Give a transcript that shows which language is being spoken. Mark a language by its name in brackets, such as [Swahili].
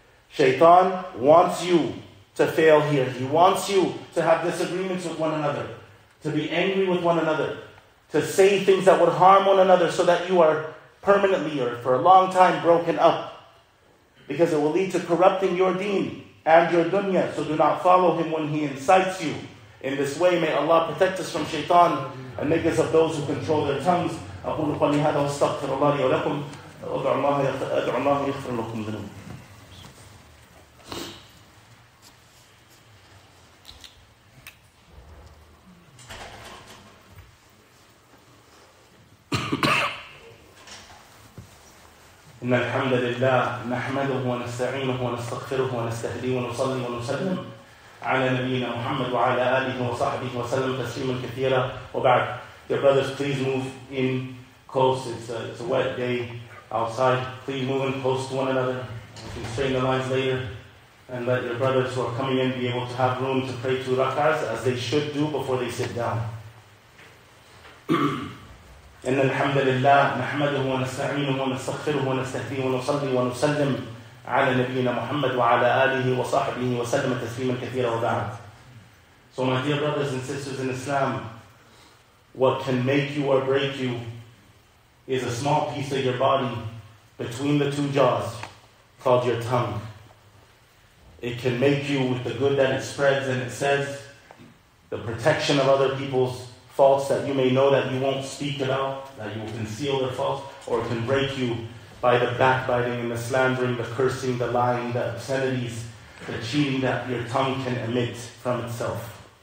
[English] Shaitan wants you to fail here. He wants you to have disagreements with one another, to be angry with one another, to say things that would harm one another so that you are permanently or for a long time broken up. Because it will lead to corrupting your deen and your dunya. So do not follow him when he incites you. In this way, may Allah protect us from shaitan and make us of those who control their tongues. [Arabic] أقول قولي هذا واستغفر الله لي ولكم أدعو الله يغفر لكم ذنوب. إن الحمد لله نحمده ونستعينه ونستغفره ونستهديه ونصلي ونسلم على نبينا محمد وعلى آله وصحبه وسلم تسليما كثيرا وبعد. [English] Your brothers, please move in close. It's a wet day outside. Please move in close to one another. You can straighten the lines later. And let your brothers who are coming in be able to have room to pray two rak'ahs as they should do before they sit down. [Arabic] إن الحمد لله نحمده ونستعينه ونستغفره ونستهديه ونصلي ونسلم على نبينا محمد وعلى آله وصحبه وسلم تسليما كثيرا وبعد. [English] So my dear brothers and sisters in Islam, what can make you or break you is a small piece of your body between the two jaws called your tongue. It can make you with the good that it spreads and it says, the protection of other people's faults that you may know that you won't speak about, that you will conceal their faults, or it can break you by the backbiting and the slandering, the cursing, the lying, the obscenities, the cheating that your tongue can emit from itself.